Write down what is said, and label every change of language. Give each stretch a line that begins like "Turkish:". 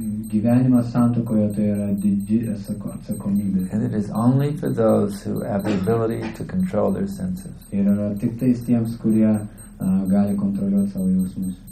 Lithuanian: Gyvenimas santuokoje tai yra didžiulė atsakomybė.
English: And it is only for those who have the ability to control their senses.
Lithuanian: Ir yra tik tais tiems, kurie gali kontroliuoti savo jausmus.